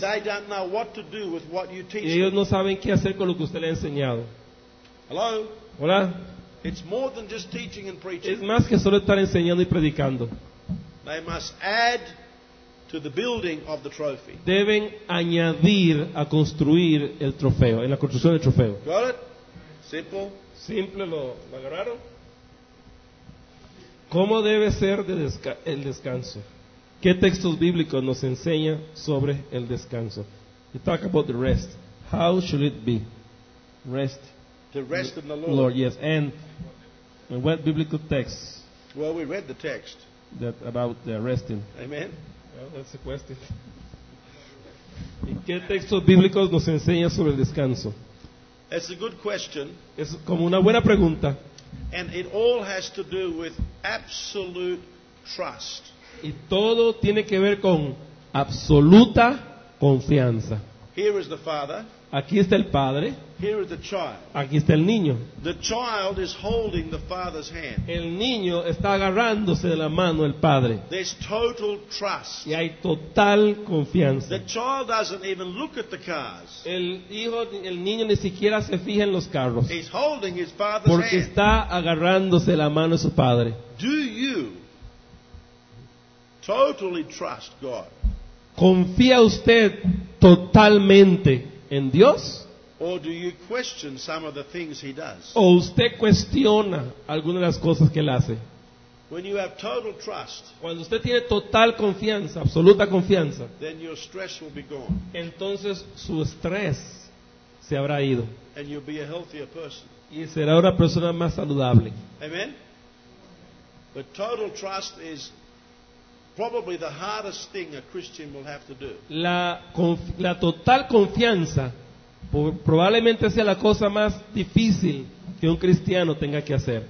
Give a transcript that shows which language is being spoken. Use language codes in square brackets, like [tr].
[en] and they don't know what to do with what you teach. [es] Y ellos no saben qué hacer con lo que usted le ha enseñado. [en] Hello. [es] Hola. [en] It's more than just teaching and preaching. [es] Es más que solo estar enseñando y predicando. [en] They must add to the building of the trophy. [es] Deben añadir a construir el trofeo, en la construcción del trofeo. [en] Got it? Simple. [es] Simple, lo agarraron. ¿Cómo debe ser el descanso? ¿Qué textos bíblicos nos enseña sobre el descanso? [en] You talk about the rest. How should it be? Rest. The rest in the Lord. Lord, yes. And what biblical texts? Well, we read the text. That about the resting. Amen. Well, that's the question. [es] ¿Qué textos bíblicos nos enseña sobre el descanso? [en] That's a good question. [es] Es como una buena pregunta. [en] And it all has to do with absolute trust. [es] Y todo tiene que ver con absoluta confianza. [en] Here is the father. [es] Aquí está el padre. [en] Here is the child. [es] Aquí está el niño. [en] The child is holding the father's hand. [es] El niño está agarrándose de la mano del padre. [en] There's total trust. [es] Y hay total confianza. [en] The child doesn't even look at the cars. [es] El niño ni siquiera se fija en los carros. [en] He's holding his father's hand. [es] Porque está agarrándose de la mano de su padre. [en] Do you totally trust God? [es] ¿Confía usted totalmente en Dios? [en] Or do you question some of the things he does? [es] ¿O usted cuestiona algunas de las cosas que él hace? [en] When you have total trust, [es] cuando usted tiene total confianza, absoluta confianza, [en] then your stress will be gone. [es] Entonces su estrés se habrá ido. [en] And you'll be a healthier person. [es] Y será una persona más saludable. [en] Amen. But total trust is probably the hardest thing a Christian will have to do. [es] La total confianza probablemente sea la cosa más difícil que un cristiano tenga que hacer.